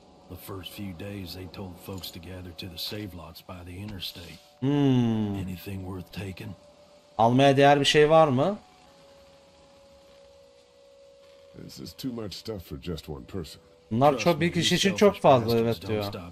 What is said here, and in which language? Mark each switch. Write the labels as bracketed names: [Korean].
[English] The first few days they told folks to gather to the save lots by the interstate. Anything worth taking? [Turkish] Almaya değer bir şey var mı? [English] This is too much stuff for just one person. [Turkish] Bunlar çok bir kişi için çok fazla evet diyor.